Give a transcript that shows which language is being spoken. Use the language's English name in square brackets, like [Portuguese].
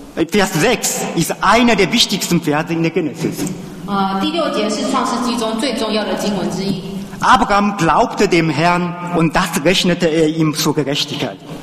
[German] Vers 6 ist einer der wichtigsten Verse in der Genesis. [Chinese] 第六节是创世纪中最重要的经文之一。 [German] Abraham glaubte dem Herrn und das rechnete er ihm zur Gerechtigkeit.